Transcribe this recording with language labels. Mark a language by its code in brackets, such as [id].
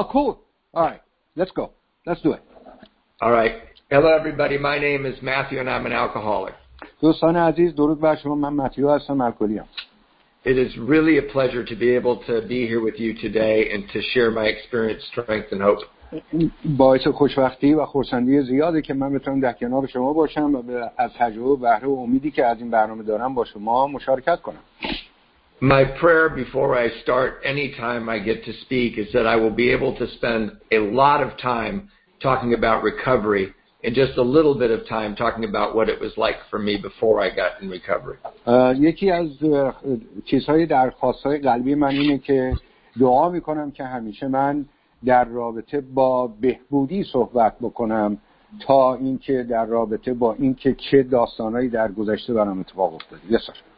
[en] Oh, cool. All right, let's go. Let's do it. All right. Hello, everybody. My name is Matthew, and I'm an alcoholic. [fa] دوستان عزیز، درود بر شما. من ماتیو هستم، الکلیم. [en] It is really a pleasure to be able to be here with you today and to share my experience, strength, and hope. [fa] باعث خوشبختی و خرسندی زیاده که من بتونم در کنار شما باشم و از تجربه بهره و امیدی که از این برنامه دارم با شما مشارکت کنم. [en] My prayer before I start any time I get to speak is that I will be able to spend a lot of time talking about recovery. And just a little bit of time talking about what it was like for me before I got in recovery. [fa] یکی از چیزهای درخواست‌های قلبی من اینه که دعا می‌کنم که همیشه من در رابطه با بهبودی صحبت بکنم تا اینکه در رابطه با اینکه چه داستانایی در گذشته برام اتفاق افتاده. [en] Yes, sir.